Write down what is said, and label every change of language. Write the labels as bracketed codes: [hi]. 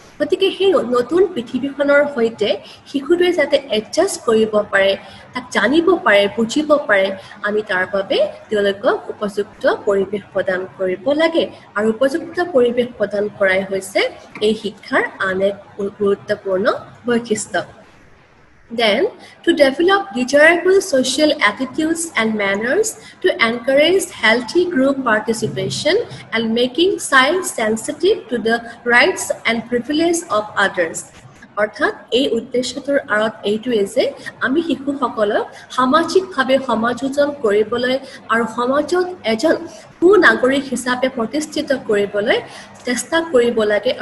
[as] গতিকে সেই নতুন পৃথিৱীখনৰ সৈতে শিশুটোৱে যাতে এডজাষ্ট কৰিব পাৰে, তাক জানিব পাৰে, বুজিব পাৰে, আমি তাৰ বাবে তেওঁলোকক উপযুক্ত পৰিৱেশ প্ৰদান কৰিব লাগে। আৰু উপযুক্ত পৰিৱেশ প্ৰদান কৰাই হৈছে এই শিক্ষাৰ আন এক গুৰুত্বপূৰ্ণ বৈশিষ্ট্য। [en] Then, to develop desirable social attitudes and manners to encourage healthy group participation and making science sensitive to the rights and privileges of others. [as] অৰ্থাৎ এই উদ্দেশ্যটোৰ আঁৰত এইটোৱে যে আমি শিশুসকলক সামাজিকভাৱে সমাযোজন কৰিবলৈ আৰু সমাজত এজন সু নাগৰিক হিচাপে প্ৰতিষ্ঠিত কৰিবলৈ চেষ্টা কৰিব লাগে।